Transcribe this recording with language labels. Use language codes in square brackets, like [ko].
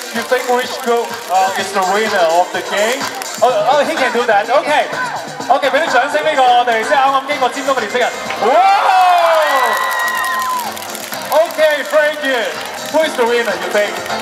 [en] You think which group is the winner of the game? Oh, he can do that. Okay. [zh] Okay, 給你掌聲這個我們剛剛經過尖東的年輕人。 [en] Okay, Frankie, who is the winner, you think?